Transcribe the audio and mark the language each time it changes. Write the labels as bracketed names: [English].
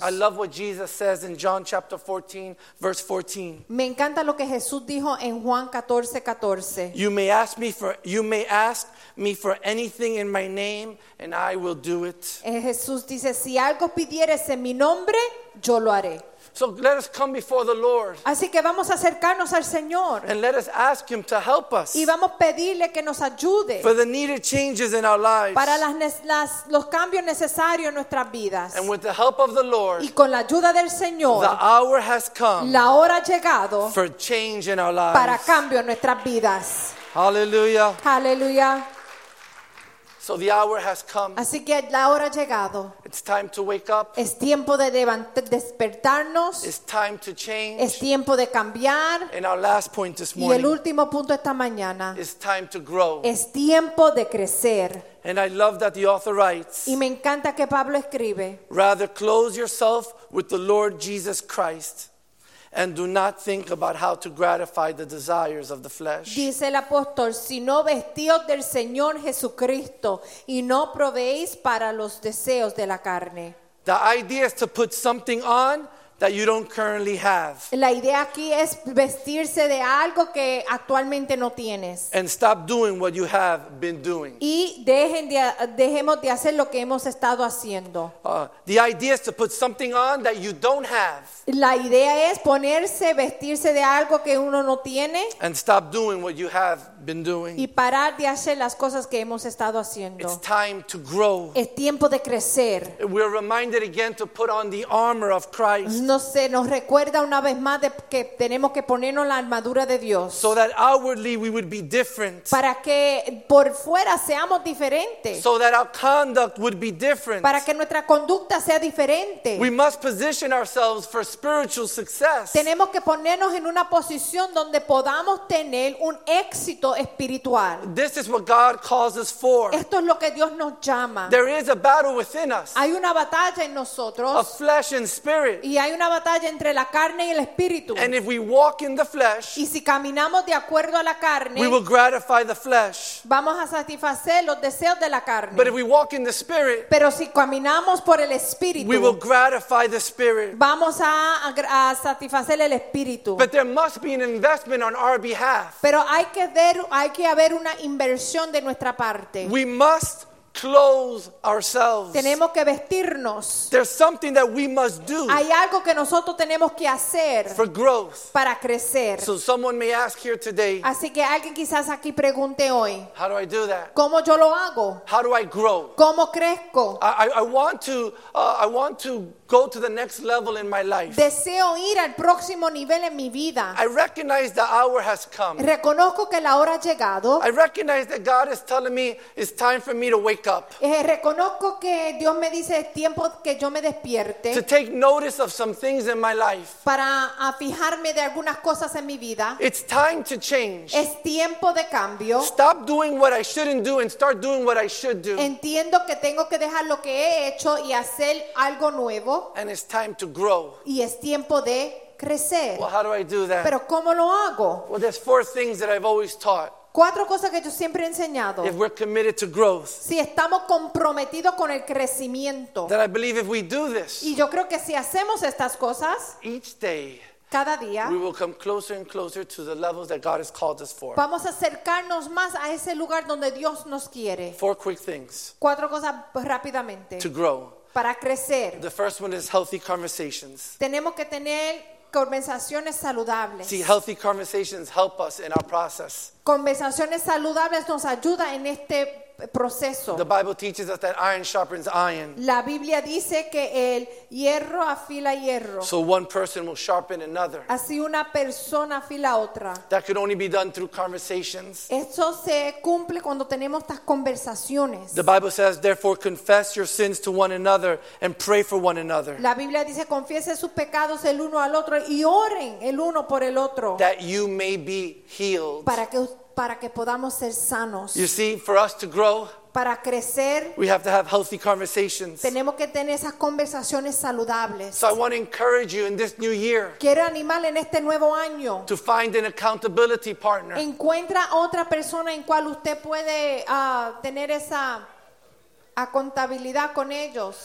[English] I love what Jesus says in John chapter 14, verse 14. [Spanish] Me encanta lo que Jesús dijo en Juan 14, 14. [English] You may ask me for anything in my name, and I will do it. [Spanish] Jesús dice, si algo pidieres en mi nombre, yo lo haré. [English] So let us come before the Lord. [Spanish] Así que vamos a acercarnos al Señor. [English] And let us ask him to help us. [Spanish] Y vamos a pedirle que nos ayude. [English] For the needed changes in our lives. [Spanish] Para los cambios necesarios en nuestras vidas. [English] And with the help of the Lord. [Spanish] Y con la ayuda del Señor. [English] The hour has come. [Spanish] La hora ha llegado. [English] For change in our lives. [Spanish] Para cambio en nuestras vidas. [English] Hallelujah. [Spanish] Hallelujah. [English] So the hour has come. [Spanish] Así que la hora ha llegado. [English] It's time to wake up. [Spanish] Es tiempo de despertarnos. [English] It's time to change. [Spanish] Es tiempo de cambiar. [English] And our last point this morning. [Spanish] Y el último punto esta mañana. [English] It's time to grow. [Spanish] Es tiempo de crecer. [English] And I love that the author writes. [Spanish] Y me encanta que Pablo escribe. [English] Rather close yourself with the Lord Jesus Christ. And do not think about how to gratify the desires of the flesh. [Spanish] Dice el apóstol, sino vestíos del Señor Jesucristo y no proveéis para los deseos de la carne. [English] The idea is to put something on that you don't currently have. [Spanish] La idea aquí es vestirse de algo que actualmente no tienes. [English] And stop doing what you have been doing. [Spanish] Y dejemos de hacer lo que hemos estado haciendo. [English] The idea is to put something on that you don't have. [Spanish] La idea es ponerse, vestirse de algo que uno no tiene. [English] And stop doing what you have been doing. [Spanish] Y parar de hacer las cosas que hemos estado haciendo. [English] It's time to grow. [Spanish] Es tiempo de crecer. [English] We're reminded again to put on the armor of Christ. [Spanish] No sé, nos recuerda una vez más de que tenemos que ponernos la armadura de Dios. [English] So that outwardly we would be different. [Spanish] Para que por fuera seamos diferentes. [English] So that our conduct would be different. [Spanish] Para que nuestra conducta sea diferente. [English] We must position ourselves for spiritual success. [Spanish] Tenemos que ponernos en una posición donde podamos tener un éxito espiritual. [English] This is what God calls us for. [Spanish] Esto es lo que Dios nos llama. [English] There is a battle within us. [Spanish] Hay una batalla en nosotros. [English] Of flesh and spirit. [Spanish] Y hay una batalla entre la carne y el espíritu. [English] And if we walk in the flesh, [Spanish] y si caminamos de acuerdo a la carne, [English] we will gratify the flesh. [Spanish] Vamos a satisfacer los deseos de la carne. [English] But if we walk in the spirit, [Spanish] pero si caminamos por el espíritu, [English] we will gratify the spirit. [Spanish] Vamos a satisfacer el espíritu. [English] But there must be an investment on our behalf. [Spanish] Pero hay que haber una inversión de nuestra parte. [English] We must clothe ourselves. [Spanish] Tenemos que vestirnos. [English] There's something that we must do. [Spanish] Hay algo que nosotros tenemos que hacer. [English] For growth. [Spanish] Para crecer. [English] So someone may ask here today. [Spanish] Así que alguien quizás aquí pregunte hoy. [English] How do I do that? [Spanish] ¿Cómo yo lo hago? [English] How do I grow? [Spanish] ¿Cómo crezco? [English] I want to go to the next level in my life. [Spanish] Deseo ir al próximo nivel en mi vida. [English] I recognize the hour has come. [Spanish] Reconozco que la hora ha llegado. [English] I recognize that God is telling me it's time for me to wake up. [Spanish] Reconozco que Dios me dice es tiempo que yo me despierte. [English] To take notice of some things in my life. [Spanish] Para fijarme de algunas cosas en mi vida. [English] It's time to change. [Spanish] Es tiempo de cambio. [English] Stop doing what I shouldn't do and start doing what I should do. [Spanish] Entiendo que tengo que dejar lo que he hecho y hacer algo nuevo. [English] And it's time to grow. [Spanish] Y es tiempo de crecer. [English] Well, how do I do that? [Spanish] Pero ¿cómo lo hago? [English] Well, there's four things that I've always taught. [Spanish] Cuatro cosas que yo siempre he enseñado. [English] If we're committed to growth. [Spanish] Si estamos comprometidos con el crecimiento. [English] That I believe if we do this. [Spanish] Y yo creo que si hacemos estas cosas. [English] Each day. [Spanish] Cada día. [English] We will come closer and closer to the levels that God has called us for. [Spanish] Vamos a acercarnos más a ese lugar donde Dios nos quiere. [English] Four quick things. [Spanish] Cuatro cosas rápidamente. [English] To grow. [Spanish] Para crecer. [English] The first one is healthy conversations. [Spanish] Tenemos que tener conversaciones saludables. [English] See, healthy conversations help us in our process. [Spanish] Conversaciones saludables nos ayuda en este proceso. [English] The Bible teaches us that iron sharpens iron. [Spanish] La Biblia dice que el hierro afila hierro. [English] So one person will sharpen another. [Spanish] Así una persona afila otra. [English] That could only be done through conversations. [Spanish] Eso se cumple cuando tenemos estas conversaciones. [English] The Bible says, therefore, confess your sins to one another and pray for one another. [Spanish] La Biblia dice, confiese sus pecados el uno al otro y oren el uno por el otro. [English] That you may be healed. [Spanish] Para que podamos ser sanos. [English] You see, for us to grow, [Spanish] Para crecer, [English] we have to have healthy conversations. [Spanish] Tenemos que tener esas conversaciones saludables. [English] So I want to encourage you in this new year. [Spanish] Quiero animar en este nuevo año. [English] To find an accountability partner. [Spanish] Encuentra otra persona en cual usted puede tener esa a contabilidad con ellos.